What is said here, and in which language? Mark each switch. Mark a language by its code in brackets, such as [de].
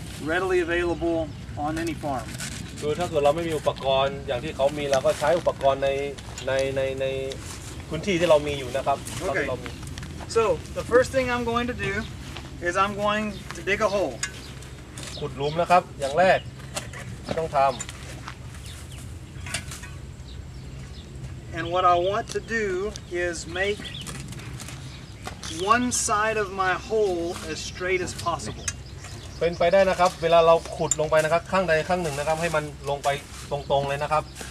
[en] readily available on any farm. [th] คือถ้าเกิดเราไม่มีอุปกรณ์อย่างที่เขามีเราก็ใช้อุปกรณ์ในพื้นที่ที่เรามีอยู่นะครับ [en] Okay. So the first thing I'm going to do is I'm going to dig a hole. [th] ขุดหลุมนะครับอย่างแรกต้องทำ [en] And what I want to do is make one side of my hole as straight as possible. [th] เป็นไปได้นะครับเวลาเราขุดลงไปนะครับข้างใดข้างหนึ่งนะครับให้มันลงไปตรงๆเลยนะครับ